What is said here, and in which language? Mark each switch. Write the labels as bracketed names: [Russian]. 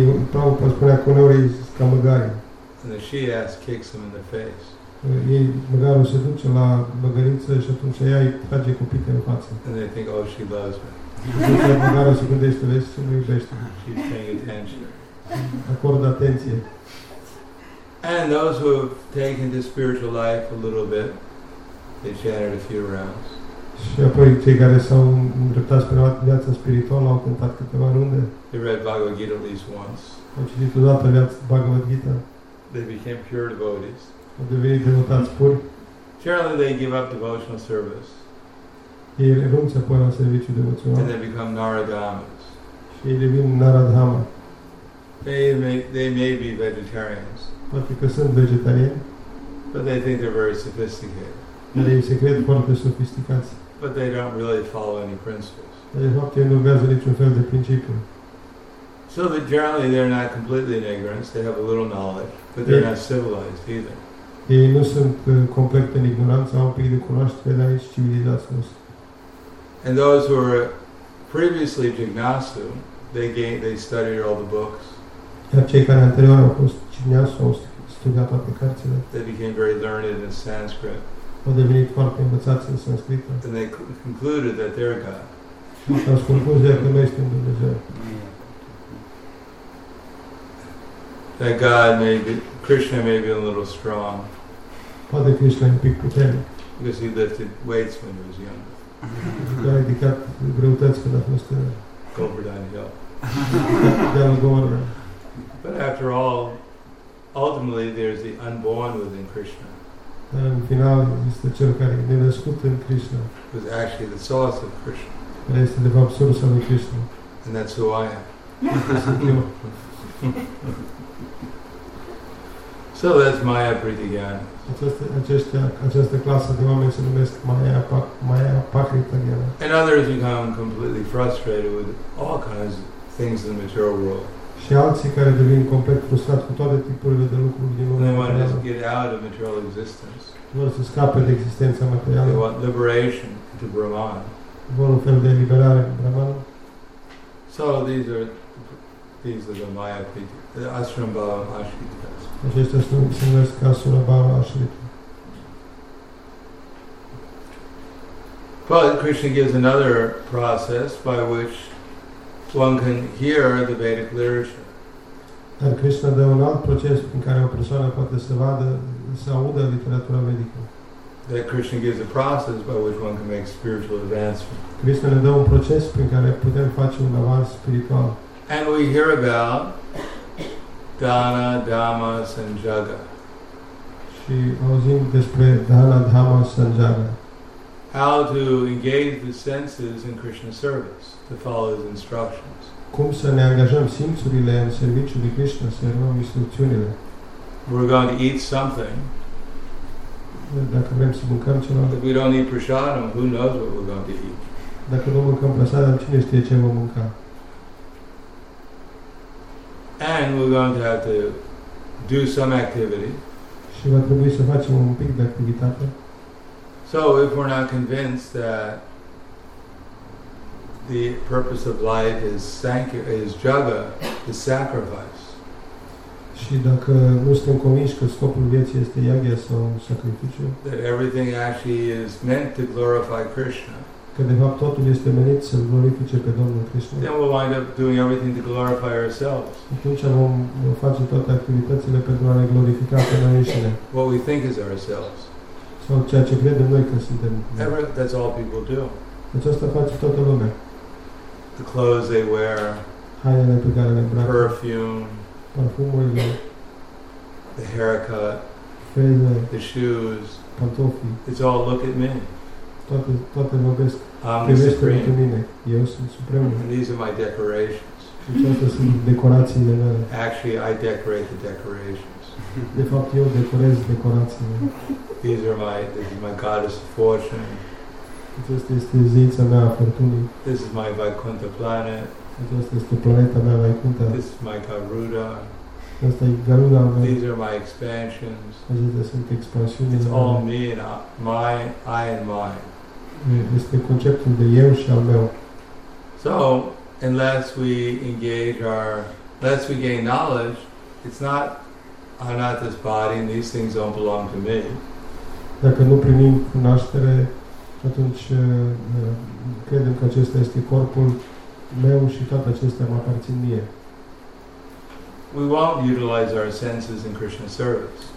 [Romanian] Prabhupada spunea că uneori e ca măgari. [English] And the she-ass kicks him in the face. [Romanian] Ei, măgarul se duce la măgăriță și atunci ea îi trage cu pite în față. [English] And they think, oh, she loves me. [Romanian] Măgarul se gândește, vezi, ce mă iubește. [English] She's paying attention. [Romanian] Acordă atenție. [English] And those who have taken to spiritual life a little bit, they chanted a few rounds. [Romanian] Și apoi cei care s-au îndreptat spre viața spirituală au cântat câteva runde. [English] They read Bhagavad Gita at least once. [Romanian] Au citit o dată Bhagavad Gita. [English] They became pure devotees. [Romanian] Au devenit devotați puri. [English] Generally they give up devotional service. [Romanian] Ei renunță apoi la serviciu devoțional. [English] And they become Naradhamas. [Romanian] Și ei devin Naradhama. [English] They may be vegetarians. [Romanian] Poate că sunt vegetariani. [English] But they think they're very sophisticated. [Romanian] Dar ei se cred foarte sofisticați. [English] But they don't really follow any principles. [Romanian] Dar de fapt ei nu urmează niciun fel de principiu. [English] So that generally they're not completely in ignorance, they have a little knowledge, but they're not civilized either. [Romanian] Ei nu sunt complet în ignoranță, au un pic de cunoaștere, dar ei sunt civilizați. [English] And those who were previously jignasu, they studied all the books. [Romanian] Iar cei care anterior au fost jignasu, au studiat toate cărțile. [English] They became very learned in Sanskrit. [Romanian] Au devenit foarte învățați în sanscrită. [English] And they concluded that they're God. [Romanian] Și au concluzit că noi suntem Dumnezeu. [English] That God may be, Krishna may be a little strong. [Romanian] Poate Krishna e un pic puternic. [English] Because he lifted weights when he was younger. [Romanian] Că a ridicat greutăți când a fost tânăr. [English] Govardhan Hill. [Romanian] Deal Govardhan. [English] But after all, ultimately there's the unborn within Krishna. [Romanian] Dar în final este cel care e nenăscut în Krishna. [English] Who's actually the source of Krishna. [Romanian] Care este de fapt sursa lui Krishna. [English] And that's who I am. So that's Maya Pritigyan. [Romanian] Această clasă de oameni se numesc Maya Pakritagyan. [English] And others become completely frustrated with all kinds of things in the material world. [Romanian] Și alții care devin complet frustrați cu toate tipurile de lucruri din lumea. [English] They want to get out of material existence. [Romanian] Vor să scape de existența materială. [English] They want liberation to Brahman. [Romanian] Vor un fel de eliberare cu Brahman. [English] So these are the Maya Pritigyan, the Ashram Bhava Ashrita. [Romanian] Acestea se numesc Asura Bhava Ashrita. [English] But Krishna gives another process by which one can hear the Vedic literature. [Romanian] Dar Krishna dă un alt proces prin care o persoană poate să vadă, să audă literatura vedică. [English] That Krishna gives a process by which one can make spiritual advancement. [Romanian] Krishna ne dă un proces prin care putem face un avans spiritual. [English] And we hear about Dana, Dhamma, Sanjaga. [Romanian] Și auzim despre Dana, Dhamma, Sanjaga. [English] How to engage the senses in Krishna's service, to follow his instructions. [Romanian] Cum să ne angajăm simțurile în serviciul lui Krishna, să urmăm instrucțiunile. [English] We're going to eat something. [Romanian] Dacă vrem să mâncăm ceva. [English] If we don't eat prasadam, who knows what we're going to eat. [Romanian] Dacă nu mâncăm prasadam, cine știe ce vom mânca. [English] And we're going to have to do some activity. [Romanian] Și va trebui să facem un pic de activitate. [English] So if we're not convinced that the purpose of life is jaga, the sacrifice. [Romanian] Și dacă nu suntem convinși că scopul vieții este yagya sau sacrificiu. [English] That everything actually is meant to glorify Krishna. [Romanian] Că de fapt totul este menit să glorifice pe Domnul Krishna. [English] Then we'll wind up doing everything to glorify ourselves. [Romanian] Atunci vom face toate activitățile pentru a ne glorifica pe noi înșine. [English] What we think is ourselves. [Romanian] Sau ceea ce credem noi că suntem. [English] That's all people do. [Romanian] Aceasta face toată lumea. [English] The clothes they wear. [Romanian] Hainele pe care le îmbracă. [English] Perfume. [Romanian] Parfumurile. [English] The haircut. [Romanian] Fezele. [English] The shoes. [Romanian] Pantofii. [English] It's all look at me. [Romanian] Toate vorbesc. Privește-mă pe mine. Eu sunt suprem. [English] And these are my decorations. [Romanian] Aceasta sunt decorațiile mele. [English] Actually, I decorate the decorations. [Romanian] De fapt eu decorez decorațiile. [English] These are my, this is my goddess of fortune. [Romanian] Aceasta este zeița mea a fortunii. [English] This is my Vaikuntha planet. [Romanian] Aceasta este planeta mea Vaikuntha. [English] This is my Garuda. [Romanian] Aceasta e Garuda mea. [English] These are my expansions. [Romanian] Acestea sunt expansiunile mele. [English] It's all me and my, I and mine. [Romanian] Este conceptul de eu și al meu. [English] So, unless we engage our, unless we gain knowledge, it's not, I'm not this body and these things don't belong to me. [Romanian] Dacă nu primim cunoaștere, atunci credem că acesta este corpul meu și toate acestea mă aparțin mie. [English] We won't utilize our senses in Krishna service.